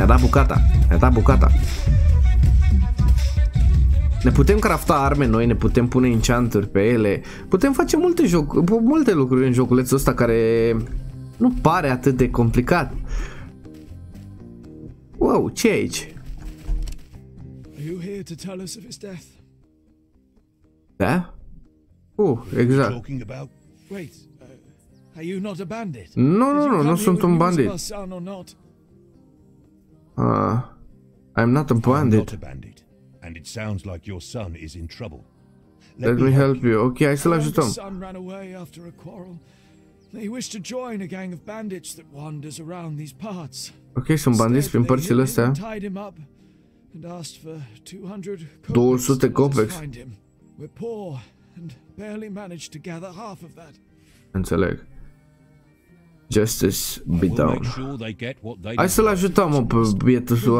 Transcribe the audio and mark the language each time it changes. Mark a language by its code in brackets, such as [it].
[ro] Ne-a dat bucata. Ne putem crafta arme noi, ne putem pune enchanturi pe ele. Putem face multe lucruri în joculețul ăsta care nu pare atât de complicat. Wow, ce e aici? [en] Are you here to tell us of his death? [ro] Da? Exact. [en] Talking about... Wait, are you not a bandit? [ro] No, nu sunt un bandit. [en] I'm not a bandit. I'm not a bandit. And it sounds like your son is in trouble. Let me help you. Okay, I still have to. My son ran away after a quarrel. They wish to join a gang of bandits that wanders around these parts. [ro] Okay, sunt bandiți prin părțile astea. [en] Tied him up and asked for 200 copecks. We're poor and barely managed to gather half of that. [ro] Înțeleg. [en] Justice be done. [ro] Hai să-l ajutăm, mă, pe bietul